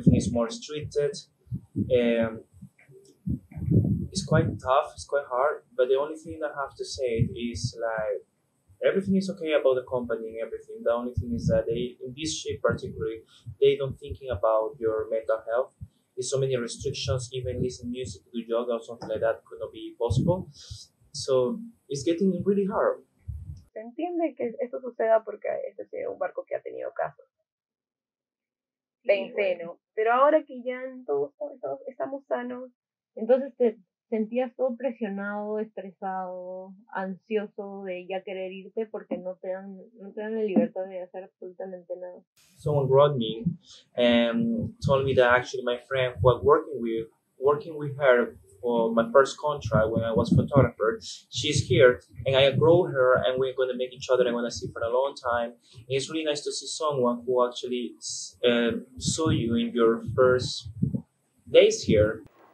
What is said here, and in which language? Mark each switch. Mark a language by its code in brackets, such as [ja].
[en] More restricted, it's quite tough, it's quite hard, but the only thing I have to say is like everything is okay about the company and everything. The only thing is that they, in this ship particularly, they don't thinking about your mental health, with so many restrictions, even listen music, do yoga or something like that, could not be possible. So it's getting really hard. [es] Se entiende que esto suceda porque este es un barco que ha tenido casos. Pensé, ¿no? Pero ahora que ya todos estamos sanos, entonces te sentías todo presionado, estresado, ansioso de ya querer irte porque no te dan la libertad de hacer absolutamente nada. [en] Someone brought me and told me that actually my friend who I'm working with her for my first contract when I was photographer, she's here and I grow her and we're going to make each other and we're going to see for a long time. And it's really nice to see someone who actually saw you in your first days here.